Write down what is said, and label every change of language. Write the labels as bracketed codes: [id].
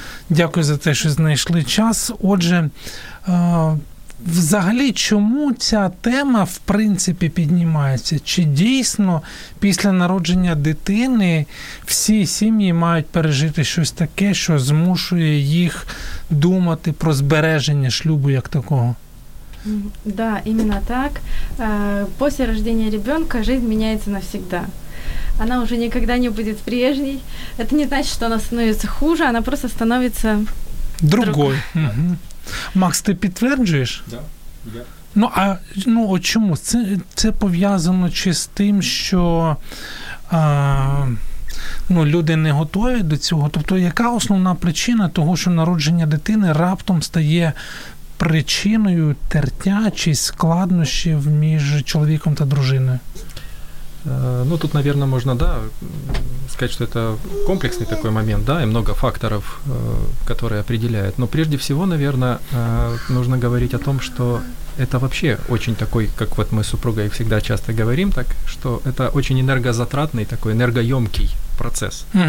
[uk] Дякую за те, що знайшли час. Отже, взагалі, чому ця тема, в принципі, піднімається? Чи дійсно після народження дитини всі сім'ї мають пережити щось таке, що змушує їх думати про збереження шлюбу як такого? [ru] Да, именно так. После рождения ребенка жизнь меняется навсегда. Она уже никогда не будет прежней. Это не значит, что она становится хуже, она просто становится другой. Макс, ты подтверждаешь? Да. [uk] Ну, а ну, чому? Це пов'язано чи з тим, що люди не готові до цього? Тобто, яка основна причина того, що народження дитини раптом стає причиною тертя чи складнощів між чоловіком та дружиною? [ru] Ну, тут, наверное, можно, да, сказать, что это комплексный такой момент, да, и много факторов, которые определяют. Но прежде всего, наверное, нужно говорить о том, что это вообще очень такой, как вот мы с супругой всегда часто говорим так, что это очень энергозатратный такой, энергоемкий процесс.